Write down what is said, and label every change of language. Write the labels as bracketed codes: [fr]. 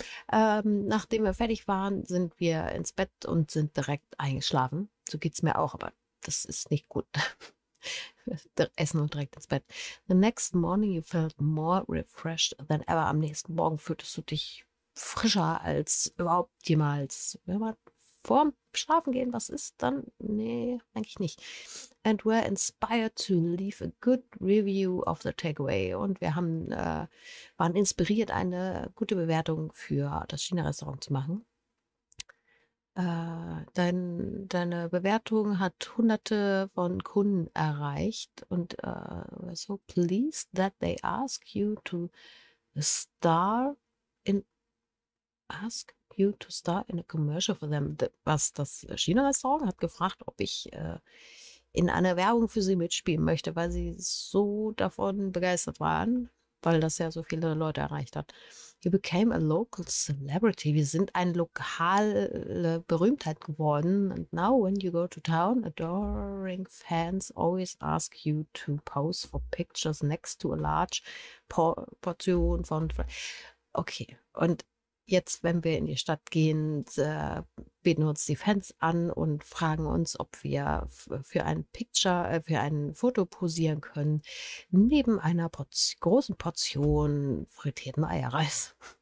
[de] Nachdem wir fertig waren, sind wir ins Bett und sind direkt eingeschlafen. So geht's mir auch, aber das ist nicht gut. Essen und direkt ins Bett. [en] The next morning you felt more refreshed than ever. [de] Am nächsten Morgen fühltest du dich frischer als überhaupt jemals. Wenn man vorm Schlafen gehen, was ist dann? Nee, eigentlich nicht. [en] And were inspired to leave a good review of the takeaway. [de] Und wir haben, waren inspiriert, eine gute Bewertung für das China-Restaurant zu machen. Deine Bewertung hat hunderte von Kunden erreicht und [en] so pleased that they ask you to star in a commercial for them. [de] Was das China-Restaurant hat gefragt, ob ich in einer Werbung für sie mitspielen möchte, weil sie so davon begeistert waren, weil das ja so viele Leute erreicht hat. [en] You became a local celebrity. [de] Wir sind eine lokale Berühmtheit geworden. [en] And now when you go to town, adoring fans always ask you to pose for pictures next to a large portion von... [de] Okay, und jetzt, wenn wir in die Stadt gehen, bieten uns die Fans an und fragen uns, ob wir für ein Foto posieren können, neben einer großen Portion frittierten Eierreis.